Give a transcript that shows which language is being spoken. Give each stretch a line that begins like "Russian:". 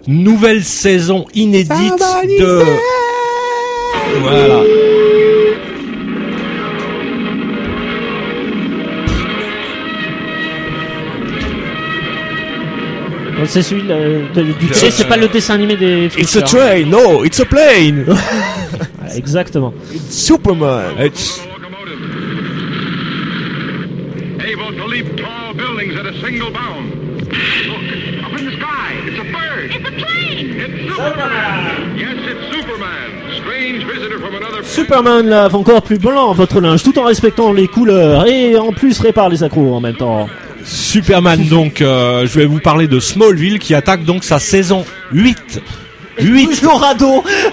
French: Nouvelle saison inédite de. Voilà. C'est celui du train, c'est pas le dessin animé des.
English: It's a train, no, it's a plane!
French: Exactement.
English: It's Superman. It's... Able to leap tall buildings at a single bound. Look, up in the sky, it's a bird. It's a plane. It's Superman. Yes, it's Superman. Strange visitor from another...
French: Superman lave encore plus blanc votre linge, tout en respectant les couleurs, et en plus répare les accros en même temps. Superman, donc, je vais vous parler de Smallville qui attaque donc sa saison 8. 8 jours à dos.